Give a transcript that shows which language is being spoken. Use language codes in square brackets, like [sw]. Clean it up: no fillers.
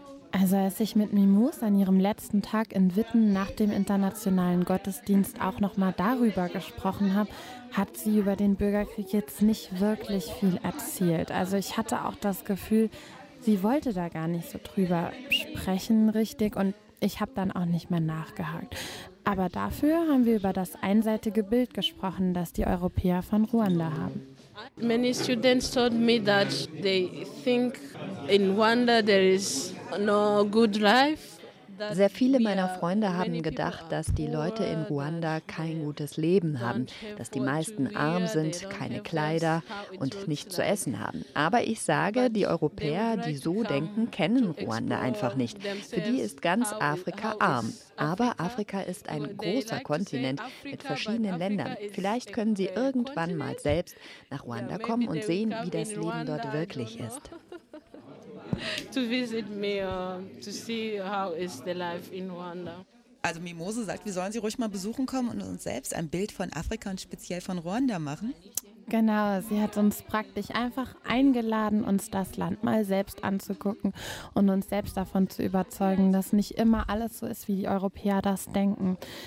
[de] Also als ich mit Mimos an ihrem letzten Tag in Witten nach dem internationalen Gottesdienst auch nochmal darüber gesprochen habe, hat sie über den Bürgerkrieg jetzt nicht wirklich viel erzählt. Also ich hatte auch das Gefühl, sie wollte da gar nicht so drüber sprechen richtig und ich habe dann auch nicht mehr nachgehakt. Aber dafür haben wir über das einseitige Bild gesprochen, das die Europäer von Ruanda haben. [en] Many students told me that they think in Rwanda there is no good life. [de] Sehr viele meiner Freunde haben gedacht, dass die Leute in Ruanda kein gutes Leben haben, dass die meisten arm sind, keine Kleider und nichts zu essen haben. Aber ich sage, die Europäer, die so denken, kennen Ruanda einfach nicht. Für die ist ganz Afrika arm. Aber Afrika ist ein großer Kontinent mit verschiedenen Ländern. Vielleicht können sie irgendwann mal selbst nach Ruanda kommen und sehen, wie das Leben dort wirklich ist. [en] To visit me, to see how is the life in Rwanda. [de] Also Mimose sagt, wir sollen sie ruhig mal besuchen kommen und uns selbst ein Bild von Afrika und speziell von Ruanda machen. Genau, sie hat uns praktisch einfach eingeladen, uns das Land mal selbst anzugucken und uns selbst davon zu überzeugen, dass nicht immer alles so ist, wie die Europäer das denken.